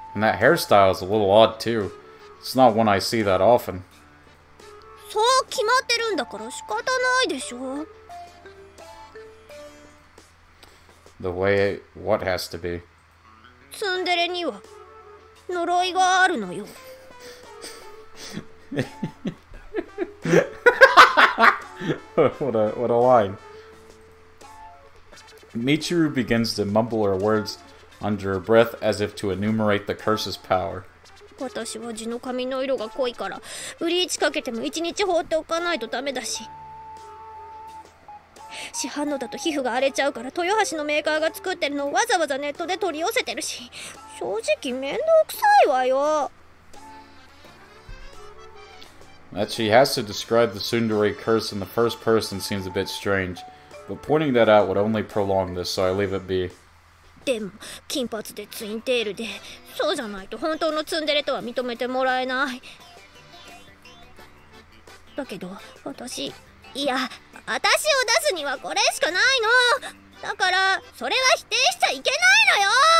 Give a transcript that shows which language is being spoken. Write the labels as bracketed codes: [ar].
[en] And that hairstyle is a little odd too. It's not one I see that often. [ja] そう決まってるんだから仕方ないでしょ。 [en] The way what has to be? [ja] ツンデレには呪いがあるのよ。 [en] what a line. Michiru begins to mumble her words under her breath as if to enumerate the curse's power. [ja] 私は地の髪の色が濃いから、ブリーチかけても一日放っておかないとダメだし。市販のだと皮膚が荒れちゃうから、豊橋のメーカーが作ってるのをわざわざネットで取り寄せてるし、正直面倒くさいわよ。 [en] That she has to describe the tsundere curse in the first person seems a bit strange, but pointing that out would only prolong this, so I leave it be. [ja] でも、金髪でツインテールで、そうじゃないと本当のツンデレとは認めてもらえない。だけど、私、いや、私を出すにはこれしかないの。だから、それは否定しちゃいけないのよ。